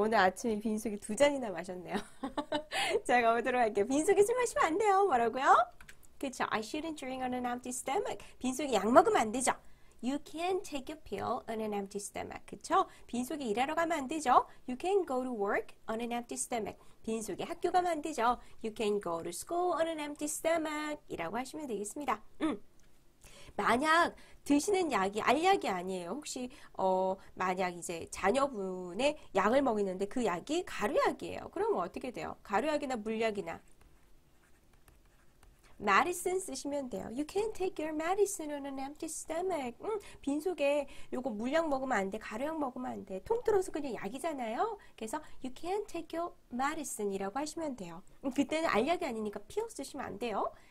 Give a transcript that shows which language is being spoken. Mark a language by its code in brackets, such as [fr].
[ko] 오늘 아침에 빈속에 두 잔이나 마셨네요. 자, 가보도록 할게요. 빈속에 술 마시면 안 돼요. 뭐라고요? 그쵸. [en] I shouldn't drink on an empty stomach. [ko] 빈속에 약 먹으면 안 되죠. [en] You can't take a pill on an empty stomach. [ko] 그쵸? 빈속에 일하러 가면 안 되죠. [en] You can't go to work on an empty stomach. [ko] 빈속에 학교 가면 안 되죠. [en] You can't go to school on an empty stomach. [ko] 이라고 하시면 되겠습니다. 만약 드시는 약이 알약이 아니에요. 혹시 만약 이제 자녀분의 약을 먹이는데 그 약이 가루약이에요. 그러면 어떻게 돼요? 가루약이나 물약이나 medicine 쓰시면 돼요. [en] You can't take your medicine on an empty stomach. [ko] 빈속에 요거 물약 먹으면 안 돼. 가루약 먹으면 안 돼. 통틀어서 그냥 약이잖아요. 그래서 [en] you can't take your medicine [ko] 이라고 하시면 돼요. 그때는 알약이 아니니까 pill 쓰시면 안 돼요.